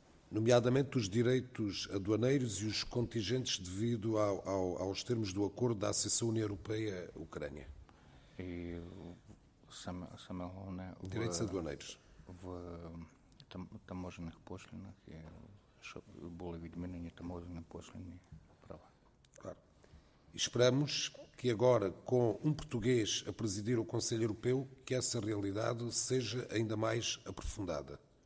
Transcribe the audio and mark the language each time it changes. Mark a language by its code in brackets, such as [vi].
[pt] Nomeadamente os direitos aduaneiros e os contingentes devido aos termos do acordo da Associação União Europeia-Ucrânia. [uk] E саме головне, [pt] direitos aduaneiros. [uk] В таможенних пошлинах і щоб були відмінені таможені пошлини. [pt] Claro. Esperamos que agora, com um português a presidir o Conselho Europeu, que essa realidade seja ainda mais aprofundada.